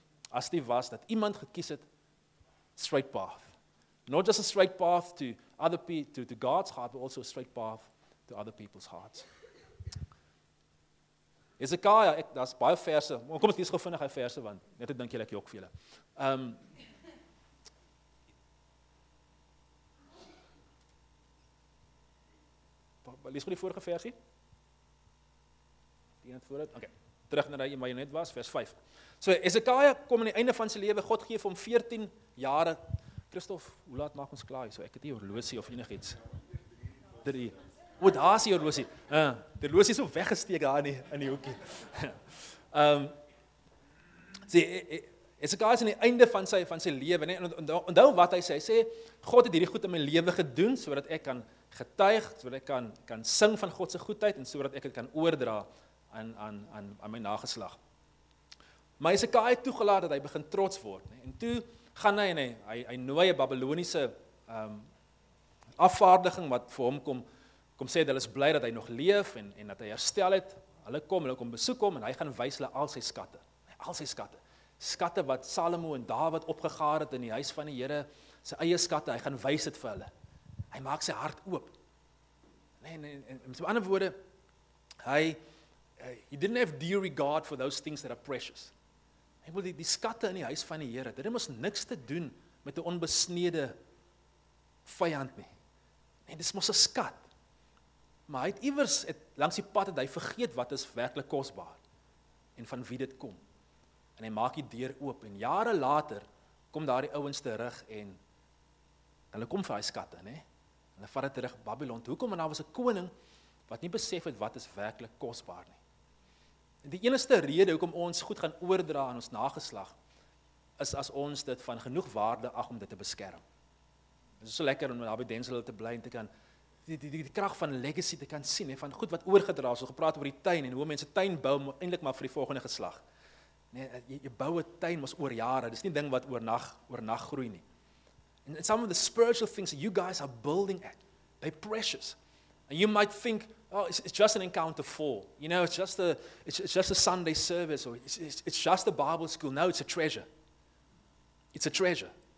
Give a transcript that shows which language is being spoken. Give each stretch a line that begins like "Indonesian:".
Afrikaans: As dit was dat iemand gekies het
English: straight path. Not just a straight path to other people, to God's heart, but also a straight path to other people's hearts.
Afrikaans: Hezekiah, daar's baie verse. Kom ons lees gou vinnig 'n verse want net ek dink julle ek jok vir julle. Lees gou die vorige versie. Die een voor dit. Okay. Terug na daai wat jy net was, vers 5. So Hezekiah kom aan die einde van sy lewe. God gee hom 14 jare. Christof, hoe laat maak ons klaar hier? So ek het nie horlosie of enigiets. 3. Wat daar is die horlosie. Die horlosie is so weggesteek daar in die hoekie. Hezekiah is aan die einde van sy lewe, nee, onthou wat hy sê. Hy sê God het hierdie goed in my lewe gedoen sodat ek kan getuig, sodat ek kan sing van God se goedheid en sodat ek dit kan oordra aan my nageslag. Maar Hezekiah het toegelaat dat hy begin trots word, nee, en toe gaan hy en hy nooi 'n Babiloniese afvaardiging wat vir hom kom sê dat hulle is bly dat hy nog leef en dat hy herstel het. Hulle kom besoek hom en hy gaan wys hulle al sy skatte. Skatte wat Salomo en Dawid opgegaar het in die huis van die Here, sy eie skatte, hy gaan wys dit vir hulle. Hy maak sy hart oop. Nee, met ander woorde,
English: he didn't have due regard for those things that are precious.
Afrikaans: Hy wil die skatte in die huis van die Here, dit het mos niks te doen met 'n onbesnede vyand nie. Nee, dis mos 'n skat. Maar hy het iewers langs die pad het hy vergeet wat is werklik kosbaar en van wie dit kom. En hy maak die deur oop en jare later kom daar die ouens terug en hulle kom vir hy skatte, nee? Hulle vat dit terug Babylon. Hoekom? Want daar was 'n koning wat nie besef het wat is werklik kosbaar nie. En die enigste rede hoekom ons goed gaan oordra aan ons nageslag is as ons dit van genoeg waarde ag om dit te beskerm. Dit is so lekker om daar by Denzel te bly en te kan die krag van legacy te kan sien, van goed wat oorgedra is. Ons gepraat oor die tuin en hoe mense tuin bou eintlik maar vir die volgende geslag. Nee, jy bou 'n tuin mos oor jare. Dis nie ding wat oornag groei nie.
English: And some of the spiritual things that you guys are building at, they're precious. And you might think, oh, it's just an encounter fall. You know, it's just a Sunday service, or it's just a Bible school. No, it's a treasure. It's a treasure.